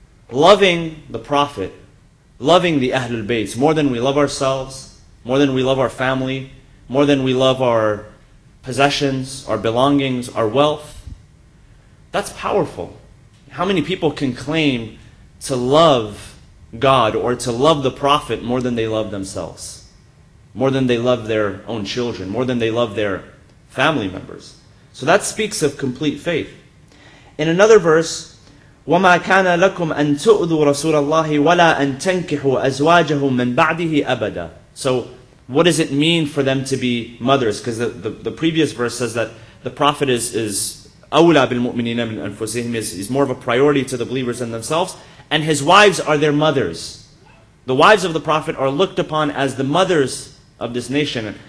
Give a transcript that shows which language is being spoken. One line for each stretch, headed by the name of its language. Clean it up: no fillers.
English: Loving the Prophet, loving the Ahlul Bayt, more than we love ourselves, more than we love our family, more than we love our possessions, our belongings, our wealth. That's powerful. How many people can claim to love God or to love the Prophet more than they love themselves? More than they love their own children, more than they love their family members. So that speaks of complete faith. In another verse,
Arabic: وَمَا كَانَ لَكُمْ أَن تُؤْذُوا رَسُولَ اللَّهِ وَلَا أَن تَنْكِحُوا أَزْوَاجَهُ مِنْ بَعْدِهِ أَبَدًا.
English: So what does it mean for them to be mothers? Because the previous verse says that the Prophet is
Arabic: أَوْلَى بِالْمُؤْمِنِينَ مِنْ أَنفُسِهِمْ,
English: is more of a priority to the believers than themselves, and his wives are their mothers. The wives of the Prophet are looked upon as the mothers of this nation.